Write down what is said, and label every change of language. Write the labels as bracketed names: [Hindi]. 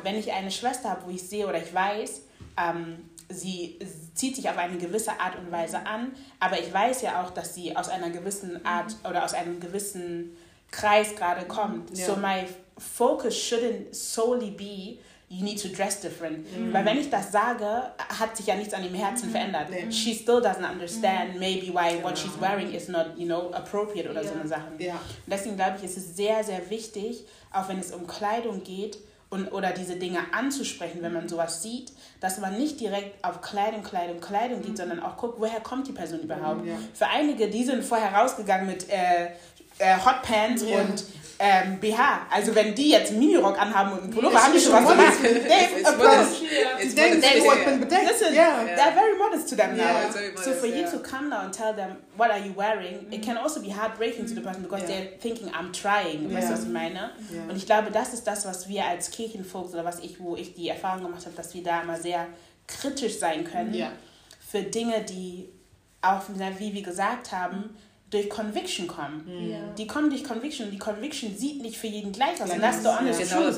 [German] Wenn ich eine Schwester habe, wo ich sehe oder ich weiß, sie zieht sich auf eine gewisse Art und Weise an, aber ich weiß ja auch, dass sie aus einer gewissen Art oder aus einem gewissen Kreis gerade kommt. [English] Yeah. So my focus shouldn't solely be you need to dress different. Mm. [German] Weil wenn ich das sage, hat sich ja nichts an ihrem Herzen verändert. Nee. [English] She still doesn't understand maybe why what she's wearing is not, you know, appropriate [German] oder so eine Sache. [English] Yeah. [German] Deswegen glaube ich, ist es sehr, sehr wichtig, auch wenn es um Kleidung geht und oder diese Dinge anzusprechen, wenn man sowas sieht, dass man nicht direkt auf Kleidung geht, sondern auch guckt, woher kommt die Person überhaupt. [English] Yeah. [German] Für einige, die sind vorher rausgegangen mit Hot Pants und BH. Also wenn die jetzt Minirock anhaben und einen Pullover, haben die schon was gemacht. [English] They've approached. They're very modest to them now. Yeah, so for you to come now and tell them, what are you wearing? It can also be heartbreaking to the person, because they're thinking, I'm trying. [German] Weißt du, was ich meine? Und ich glaube, das ist das, was wir als Kirchenfolks oder wo ich die Erfahrung gemacht habe, dass wir da immer sehr kritisch sein können für Dinge, die auch, wie wir gesagt haben, durch Conviction kommen. Mm. [English] Yeah. [German] Die kommen durch Conviction und die Conviction sieht nicht für jeden gleich aus. [English] And that's the honest truth.